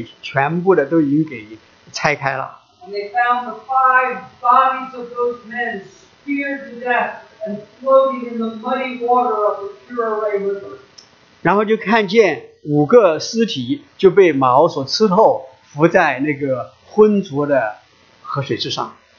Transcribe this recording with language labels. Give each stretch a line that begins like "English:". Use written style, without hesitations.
Chinese: 他到了那里时，他们看见他们的飞机被全部的都已经给拆开了。
English: And they found the 5 bodies of those men speared to death and floating in the muddy water of the Puree River.
Chinese: 然后就看见 5个尸体就被毛所刺透，浮在那个浑浊的河水之上。